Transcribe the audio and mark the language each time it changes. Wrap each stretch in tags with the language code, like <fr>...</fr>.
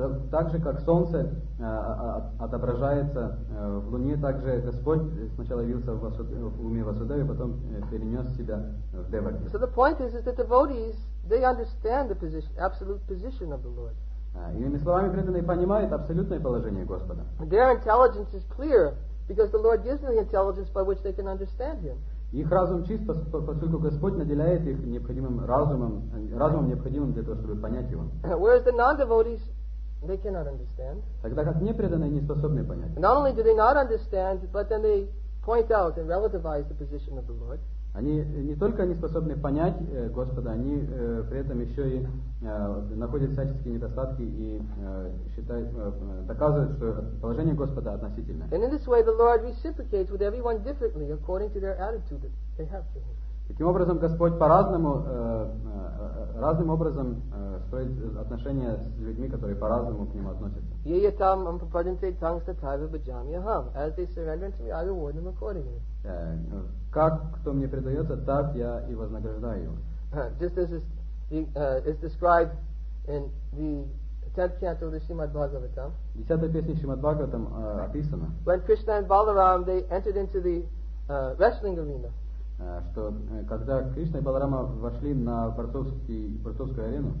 <ru>Так же, как солнце отображается в луне, так же Господь сначала явился в уме Васудевы, потом перенес себя в Деваки.</ru> <en>So the point is that devotees, they understand the position, absolute position of the Lord.</en> <ru>Иными словами, преданные понимают абсолютное положение Господа.</ru> <en>Their intelligence is clear because the Lord gives them the intelligence by which they can understand Him.</en> <ru>Их разум чист, поскольку Господь наделяет их необходимым разумом, разумом необходимым для того, чтобы понять его.</ru> <en>Whereas the non-devotees, they cannot understand.</en> <ru>Тогда как непреданные не способны понять.</ru> <en>Not only do they not understand, but then they point out and relativize the position of the Lord.</en> <ru>Они не только не способны понять Господа, они при этом еще и находят всяческие недостатки и считают, доказывают, что положение Господа относительное.</ru> <en>And in this way the Lord reciprocates with everyone differently according to their attitude that they have to him.</en> <ru>Таким образом, Господь по-разному, разным образом строит отношения с людьми, которые по-разному к Нему относятся.</ru> <en>As they surrender to me, I reward them accordingly.</en> <ru>Как кто мне предается, так я и вознаграждаю.</ru> <en>Just as is described in the 10th canto of the Srimad Bhagavatam.</en> <ru>10-я песня Шримад Бхагаватам описана.</ru> <en>When Krishna and Balaram, they entered into the wrestling arena.</en> <ru>Что когда Кришна и Баларама вошли на борцовскую арену,</ru>